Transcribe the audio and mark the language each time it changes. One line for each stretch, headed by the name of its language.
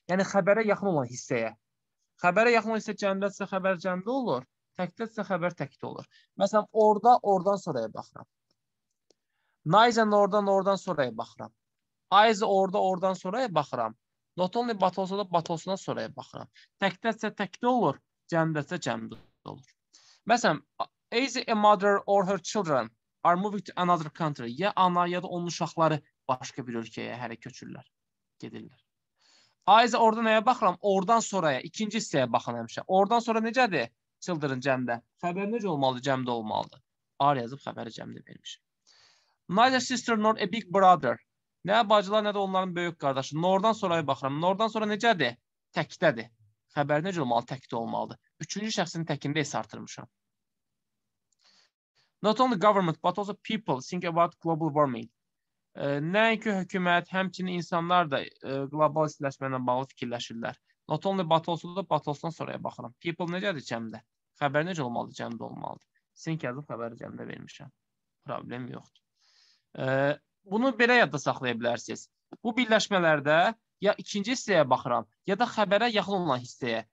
Azerbaijani: Yəni xəbərə yaxın olan hissəyə. Xəbərə yaxın olan hissə cəmdədirsə xəbər cəmdə olur, təkdədirsə xəbər təkdə olur. Məsələn, orada, oradan sonraya baxıram. Neither nor-dan oradan sonraya baxıram. Either orada, oradan sonraya baxıram. Not only but also da but also'na soruya baxıram. Təkdədirsə təkdə olur, cəmdədirsə cəmdə olur.
English: Məsələn, either a mother or her children are moving to another country.
Azerbaijani: Ya ana ya da onun uşaqları başqa bir ölkəyə hələ köçürlər, gedirlər. Either orada nəyə baxıram? Oradan sonraya, ikinci hissəyə baxın həmişə. Oradan sonra necədir children cəmdə? Xəbər necə olmalıdır, cəmdə olmalıdır. Ar yazıb xəbəri cəmdə vermiş.
English: Neither sister nor a big brother.
Azerbaijani: Nə bacılar, nə də onların böyük qardaşı. Nordan sonraya baxıram. Nordan sonra necədir? Təkdədir. Xəbər necə olmalı? Təkdə olmalı. Üçüncü şəxsin təkində isə artırmışam.
English: Not only government, but also people think about global warming.
Azerbaijani: Nəinki hökumət, həmçinin insanlar da qlobal istiləşmələ bağlı fikirləşirlər. Not only but also da but also-dan sonraya baxıram. People necədir cəmdə? Xəbər necə olmalı? Cəmdə olmalı. Think yazıb xəbəri cəmdə vermişəm. Problem yoxdur. Bunu belə yadda saxlaya bilərsiniz. Bu birləşmələrdə ya ikinci hissəyə baxıram, ya da xəbərə yaxın olan hissəyə.